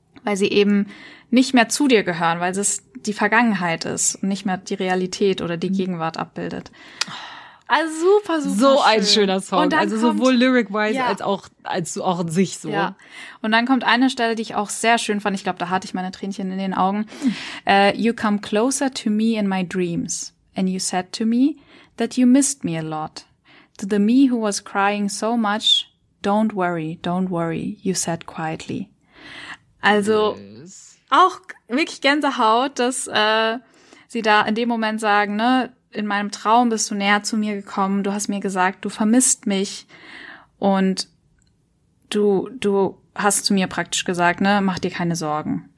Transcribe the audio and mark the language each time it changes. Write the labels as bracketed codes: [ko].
[de] Weil sie eben nicht mehr zu dir gehören, weil es die Vergangenheit ist und nicht mehr die Realität oder die Gegenwart abbildet. Also super, super. So ein schöner Song. Also sowohl lyric-wise, ja, als auch in sich so. Ja. Und dann kommt eine Stelle, die ich auch sehr schön fand. Ich glaube, da hatte ich meine Tränchen in den Augen. [en] You come closer to me in my dreams. And you said to me that you missed me a lot. To the me who was crying so much, don't worry, you said quietly. [de] Also yes, auch wirklich Gänsehaut, dass sie da in dem Moment sagen, ne, in meinem Traum bist du näher zu mir gekommen. Du hast mir gesagt, du vermisst mich. Und du hast zu mir praktisch gesagt, ne, mach dir keine Sorgen.